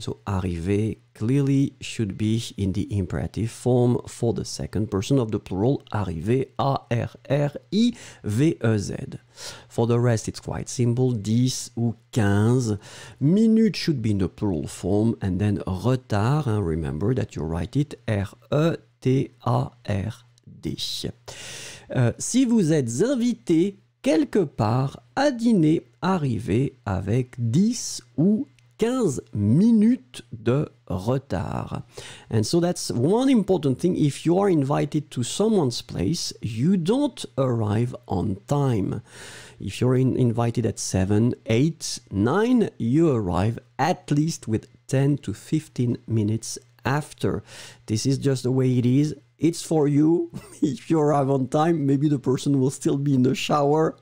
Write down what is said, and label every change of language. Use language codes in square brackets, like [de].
[en] So arriver clearly should be in the imperative form for the second person of the plural, arriver, A-R-R-I-V-E-Z. For the rest, it's quite simple, 10 ou 15. Minutes should be in the plural form, and then retard, hein, remember that you write it, R-E-T-A-R-D. [fr] Si vous êtes invité quelque part à dîner, arrivez avec 10 ou 15 minutes de retard. [en] And so that's one important thing. If you are invited to someone's place, you don't arrive on time. If you're invited at 7, 8, 9, you arrive at least with 10 to 15 minutes after. This is just the way it is. It's for you. If you arrive on time, maybe the person will still be in the shower.